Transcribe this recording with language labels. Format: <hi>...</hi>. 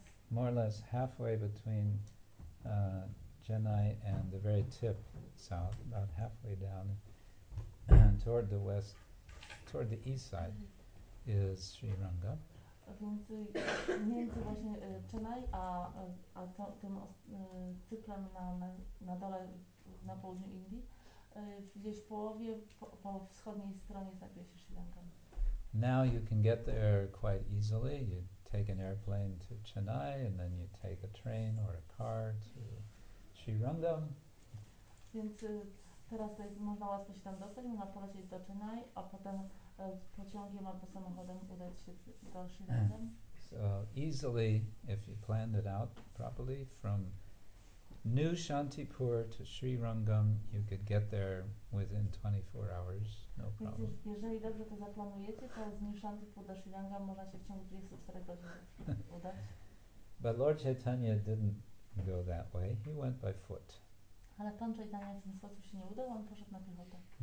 <en>More or less halfway between Chennai and the very tip south, about halfway down and toward the west, toward the east side is Sri Ranga.</en> <pl>Więc między właśnie Chennai a to, tym cyklem na dole, na południu Indii, gdzieś w połowie, po wschodniej stronie znajduje się Sri Lanka.</pl> <en>Now you can get there quite easily. You take an airplane to Chennai and then you take a train or a car to Sri Rangam.</en> <pl>Więc teraz tutaj można łatwo się tam dostać, można polecieć do Chennai, a potem pociągiem albo samochodem udać się do Sri Rangam.</pl> <en>So easily, if you planned it out properly, from New Shantipur to Sri Rangam, you could get there within 24 hours, no problem.</en> <pl>Jeżeli dobrze to zaplanujecie, to z New Shantipur do Sri Rangam można się w ciągu 24 godzin udać.</pl> <en>But Lord Chaitanya didn't go that way. He went by foot.</en> <pl>Ale Pan Chaitanya w tym sposób się nie udał, on poszedł na piechotę.</pl>